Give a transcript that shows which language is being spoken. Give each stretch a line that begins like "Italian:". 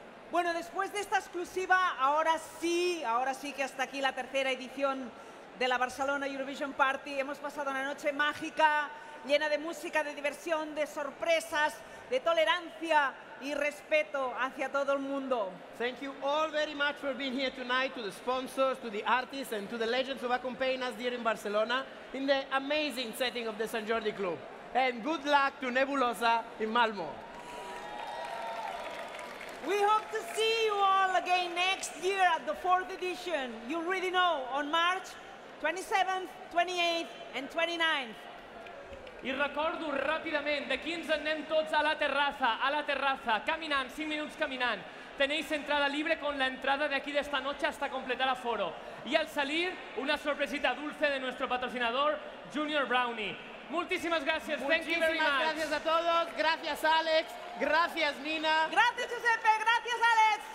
Spanish: Bueno, después de esta exclusiva, ahora sí que hasta aquí la tercera edición de la Barcelona Eurovision Party. Hemos pasado una noche mágica, llena de música, de diversión, de sorpresas, de tolerancia y respeto hacia todo el mundo.
English: Thank you all very much for being here tonight, to the sponsors, to the artists and to the legends who accompany us here in Barcelona in the amazing setting of the Sant Jordi Club. And good luck to Nebulosa in Malmo. We hope to see you all again next year at the fourth edition. You already know, on March 27th, 28th and 29th.
Catalan: I recordo ràpidament, d'aquí ens anem tots a la terraza, caminant, 5 minuts caminant.
Spanish: Tenéis entrada libre con la entrada de aquí de esta noche hasta completar aforo. Y al salir, una sorpresita dulce de nuestro patrocinador, Junior Brownie.
Catalan: Moltíssimes gràcies,
English: thank you very much.
Spanish: Muchísimas gracias a todos, gracias Alex, gracias Nina. Gracias Giuseppe, gracias Alex.